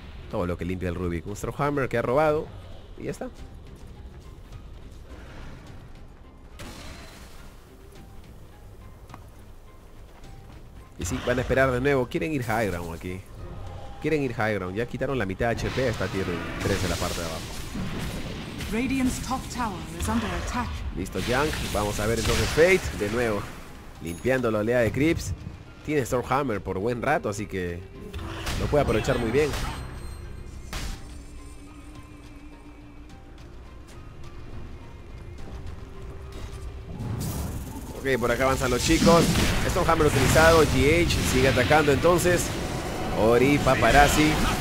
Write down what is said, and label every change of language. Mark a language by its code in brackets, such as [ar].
[es] Todo lo que limpia el Rubik. Un Strohammer que ha robado. Y ya está. Y sí, van a esperar de nuevo. Quieren ir high ground aquí. Quieren ir high ground. Ya quitaron la mitad de HP a esta tier 3 en la parte de abajo. [en] Radiant's top tower is under attack. [es] Listo, Yang. Vamos a ver entonces Fate. De nuevo, limpiando la oleada de creeps. Tiene Stormhammer por buen rato, así que lo puede aprovechar muy bien. Ok, por acá avanzan los chicos. Stormhammer utilizado. GH sigue atacando entonces. Ori, Paparazzi.